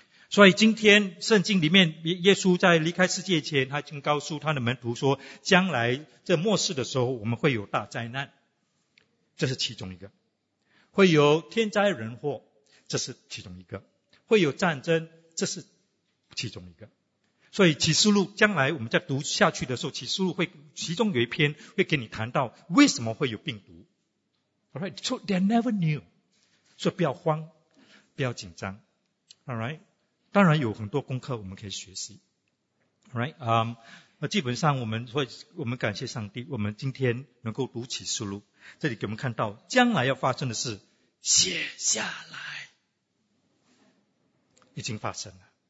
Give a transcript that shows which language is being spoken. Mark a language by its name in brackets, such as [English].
[Chinese] 所以今天圣经里面耶稣在离开世界前，他已经告诉他的门徒说，将来这末世的时候我们会有大灾难，这是其中一个，会有天灾人祸，这是其中一个，会有战争，这是其中一个。所以启示录将来我们在读下去的时候，启示录会其中有一篇会给你谈到为什么会有病毒。 [English] Alright， So they are never new， [Chinese] 所以不要慌，不要紧张。 Alright， 当然有很多功课我们可以学习。Alright， 基本上我们感谢上帝，我们今天能够读启示录，这里给我们看到将来要发生的事写下来，已经发生了。